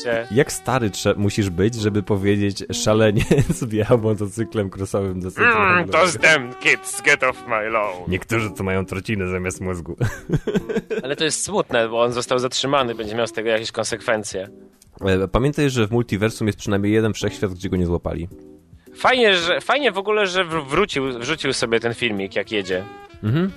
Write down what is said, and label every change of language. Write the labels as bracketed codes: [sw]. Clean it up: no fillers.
[pl] Jak stary musisz być, żeby powiedzieć szaleniec wjechał motocyklem crossowym do centrum handlowego? [en] To z them kids, get off my lawn. [pl] Niektórzy to mają trociny zamiast mózgu. Ale to jest smutne, bo on został zatrzymany, będzie miał z tego jakieś konsekwencje. Pamiętaj, że w multiversum jest przynajmniej jeden wszechświat, gdzie go nie złapali. Fajnie w ogóle, że wrzucił sobie ten filmik, jak jedzie. Mhm.